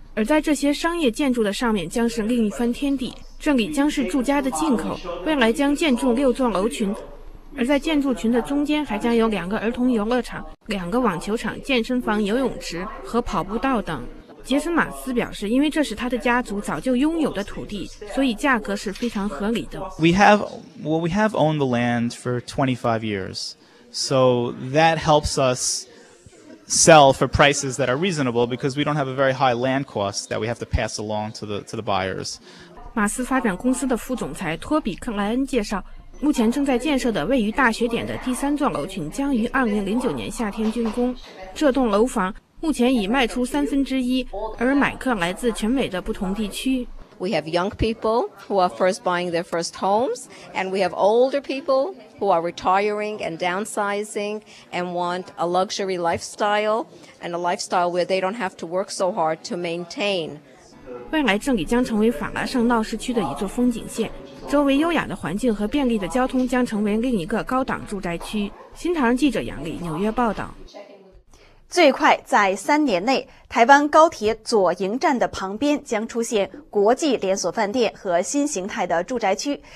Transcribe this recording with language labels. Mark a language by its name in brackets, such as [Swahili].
[Chinese] 而在这些商业建筑的上面将是另一番天地，这里将是住家的进口，未来将建筑6座楼群。而在建筑群的中间还将有2个儿童游乐场、2个网球场、健身房、游泳池和跑步道等。杰森·马斯表示，因为这是他的家族早就拥有的土地，所以价格是非常合理的。 [English] We have owned the land for 25 years. So that helps us sell for prices that are reasonable because we don't have a very high land cost that we have to pass along to the buyers. [Chinese] 马斯发展公司的副总裁托比·克莱恩介绍，目前正在建设的位于大学点的第3座楼群将于2009年夏天竣工。这栋楼房目前已卖出1/3，而买客来自全美的不同地区。 [English] We have young people who are first buying their first homes, and we have older people who are retiring and downsizing and want a luxury lifestyle and a lifestyle where they don't have to work so hard to maintain. [Chinese] 未来这里将成为法拉盛闹市区的一座风景线，周围优雅的环境和便利的交通将成为另一个高档住宅区。新唐人记者杨丽纽约报道。最快在三年内，台湾高铁左营站的旁边将出现国际连锁饭店和新形态的住宅区。